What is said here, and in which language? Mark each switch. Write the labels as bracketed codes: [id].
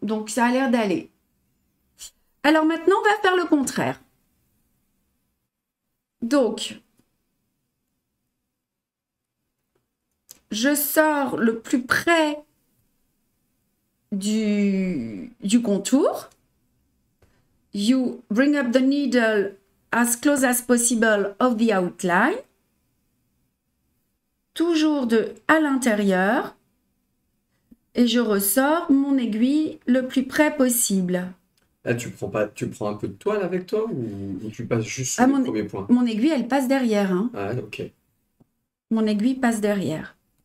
[fr] Donc, ça a l'air d'aller. Alors, maintenant, on va faire le contraire. Donc, je sors le plus près du contour. [en] You bring up the needle as close as possible of the outline. [fr] Toujours à l'intérieur. Et je ressors mon aiguille le plus près possible. Là, tu prends un peu de toile avec toi ou tu passes juste sur le premier point? Mon aiguille, elle passe derrière. Hein. Ah, ok. Mon aiguille passe derrière.